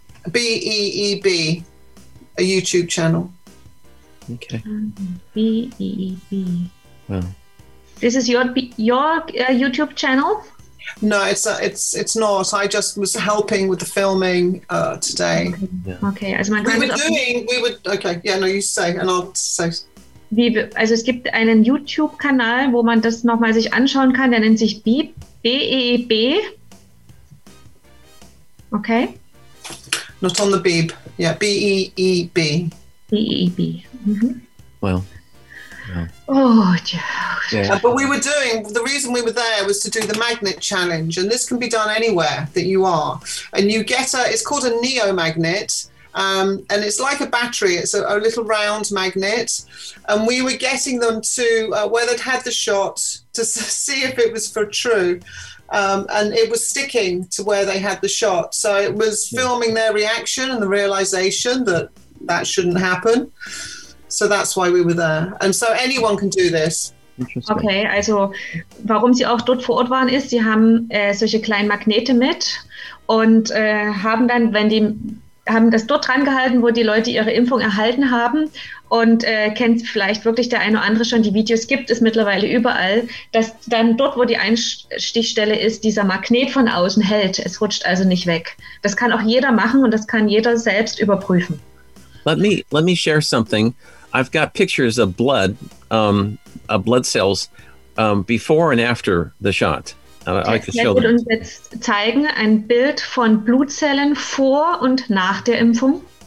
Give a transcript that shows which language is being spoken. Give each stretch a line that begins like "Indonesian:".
English: B-E-E-B, a YouTube channel. Okay. B-E-E-B. Wow. This is your YouTube channel? No, it's not. I just was helping with the filming today. Okay. Yeah. Okay. You say, and I'll say.
German: Also es gibt einen YouTube-Kanal, wo man das nochmal sich anschauen kann. Der nennt sich B-E-E-B. Okay.
English: Not on the Beeb. Yeah, B-E-E-B. B-E-E-B. Mm-hmm. Well, yeah. Oh, yeah. But we were doing, the reason we were there was to do the magnet challenge, and this can be done anywhere that you are. And you get it's called a Neo magnet, and it's like a battery, it's a little round magnet. And we were getting them to where they'd had the shot to see if it was for true. And it was sticking to where they had the shot. So it was filming their reaction and the realization that that shouldn't happen. So that's why we were there. And so anyone can do this.
German: Okay, also warum sie auch dort vor Ort waren, ist, sie haben solche kleinen Magnete mit und haben dann, wenn die haben das dort dran gehalten, wo die Leute ihre Impfung erhalten haben und kennt vielleicht wirklich der eine oder andere schon, die Videos gibt es mittlerweile überall, dass dann dort, wo die Einstichstelle ist, dieser Magnet von außen hält. Es rutscht also nicht weg. Das kann auch jeder machen und das kann jeder selbst überprüfen.
English: Let me share something. I've got pictures of blood, blood cells, before and after the shot.
German: Ich werde uns jetzt zeigen ein Bild von Blutzellen vor und nach der Impfung.